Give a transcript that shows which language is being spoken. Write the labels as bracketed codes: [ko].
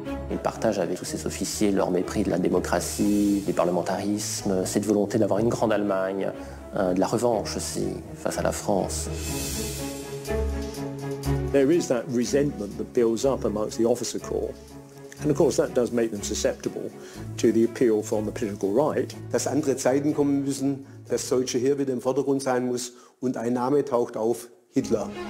[fr] Il partage avec tous ses officiers leur mépris de la démocratie, du parlementarisme, cette volonté d'avoir une grande Allemagne, de la revanche aussi face à la France. [en] There is that resentment that builds up amongst the officer corps. And of course that does make them susceptible to the appeal from the political right. [de] Dass andere Zeiten kommen müssen, dass solche Heer wieder im Vordergrund sein muss und ein Name taucht auf, Hitler.